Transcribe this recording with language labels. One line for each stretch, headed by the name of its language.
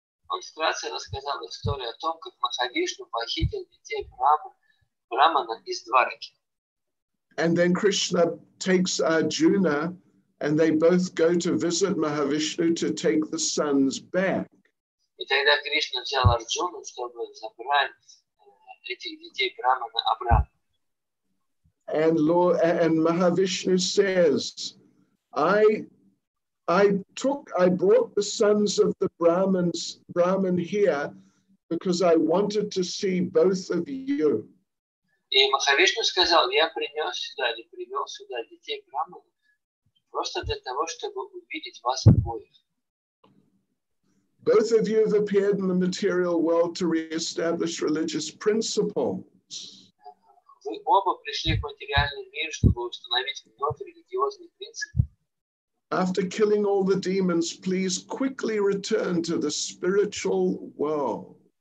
Russian: Он вкратце рассказал историю о том, как Махавишну похитил детей Брамана из Двараки.
English: And then Krishna takes Arjuna and they both go to visit Mahavishnu to take the sons back.
Russian: И тогда Кришна взял Арджуну, чтобы забрать этих детей Брамана обратно.
English: And Lord, and Mahavishnu says, I brought the sons of the Brahman here because I wanted to see both of you.
Russian: И Махавишну сказал, я принес сюда или привел сюда детей Брамана просто для того, чтобы увидеть вас обоих.
English: Both of you have appeared in the material world to reestablish religious principles.
Russian: Вы оба пришли в материальный мир, чтобы установить вновь религиозные принципы.
English: After killing all the demons, please quickly return to the spiritual world.